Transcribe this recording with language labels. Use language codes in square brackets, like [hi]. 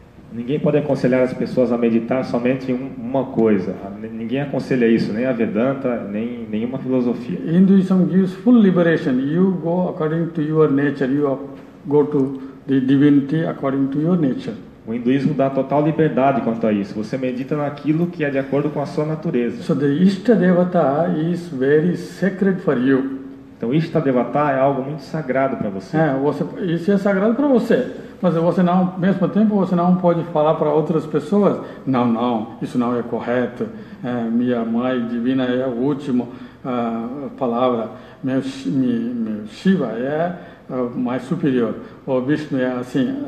[pt] Ninguém pode aconselhar as pessoas a meditar somente em uma coisa. Ninguém aconselha isso, nem a Vedanta, nem nenhuma filosofia. [en] Hinduism gives full liberation. You go according to your nature. You go to the divinity according to your nature. [pt] O hinduísmo dá total liberdade quanto a isso. Você medita naquilo que é de acordo com a sua natureza. [en] So the Ishta Devata is very sacred for you. [pt] Então, Ishta Devata é algo muito sagrado para você. Isso é sagrado para você. Mas você não, mesmo tempo, você não pode falar para outras pessoas, não, isso não é correto, minha mãe divina é a última palavra, meu Shiva é mais superior, o Vishnu é assim.